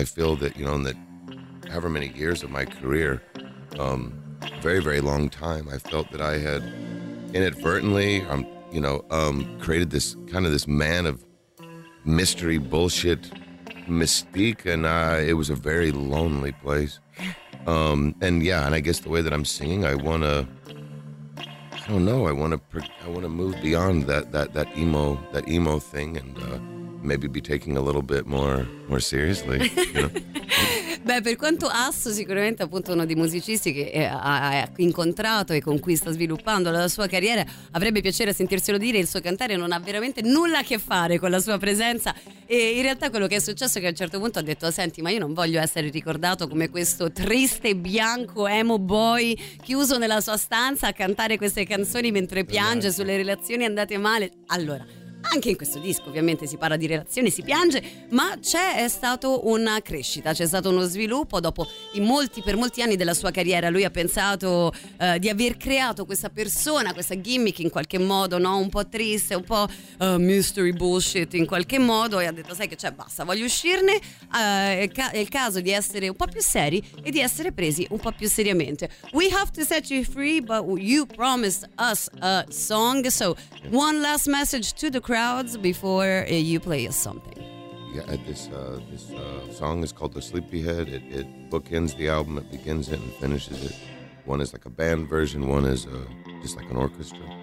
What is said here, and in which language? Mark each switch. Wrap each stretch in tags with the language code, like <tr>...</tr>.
<en>I feel that, you know, in that however many years of my career, very, very long time, I felt that I had inadvertently, created this kind of this man of mystery, bullshit, mystique, and it was a very lonely place. And I guess the way that I'm singing, I want to move beyond that emo thing and maybe be taking a little bit more seriously,</en> <it>Beh, per quanto Asso, sicuramente appunto uno dei musicisti che ha incontrato e con cui sta sviluppando la sua carriera, avrebbe piacere sentirselo dire, il suo cantare non ha veramente nulla a che fare con la sua presenza. E in realtà quello che è successo è che a un certo punto ha detto: senti, ma io non voglio essere ricordato come questo triste, bianco, emo boy chiuso nella sua stanza a cantare queste canzoni mentre piange sulle relazioni andate male. Allora, anche in questo disco ovviamente si parla di relazione, si piange, ma c'è stato una crescita, c'è stato uno sviluppo dopo in molti, per molti anni della sua carriera. Lui ha pensato di aver creato questa persona, questa gimmick in qualche modo, no? Un po' triste, un po'</it> <en>mystery bullshit</en> <it>in qualche modo, e ha detto: sai che c'è, basta, voglio uscirne, è il caso di essere un po' più seri e di essere presi un po' più seriamente.</it> <en>We have to set you free, but you promised us a song, so one last message to the crowds before you play us something. Yeah, this song is called The Sleepyhead. It bookends the album, it begins it and finishes it. One is like a band version, one is just like an orchestra.</en>